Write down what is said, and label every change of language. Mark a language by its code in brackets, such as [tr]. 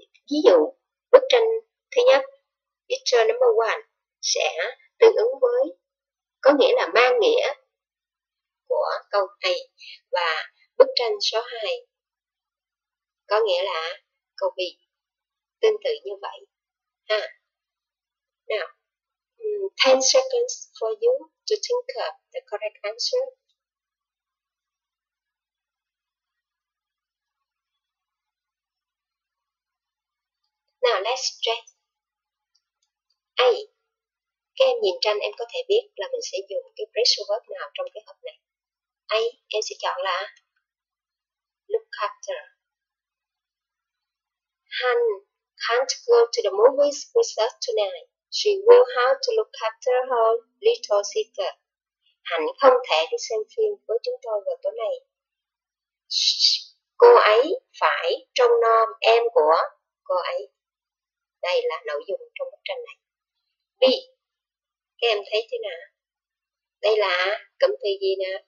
[vi] Ví dụ, bức tranh thứ nhất, [en] picture number one, [vi] sẽ tương ứng với, có nghĩa là mang nghĩa của câu này. Và bức tranh số 2, có nghĩa là câu B, tương tự như vậy. Ha. [en] Now, 10 seconds for you to think of the correct answer. Now let's check. A. [vi] Các em nhìn tranh em có thể biết là mình sẽ dùng cái phrasal verb nào trong cái hộp này. A. Em sẽ chọn là look after. [en] Han can't go to the movies with us tonight. She will have to look after her little sister. [vi] Han không thể đi xem phim với chúng tôi vào tối nay. Cô ấy phải trông nom em của cô ấy. Đây là nội dung trong bức tranh này. B. Các em thấy chưa nào? Đây là cụm từ gì nè?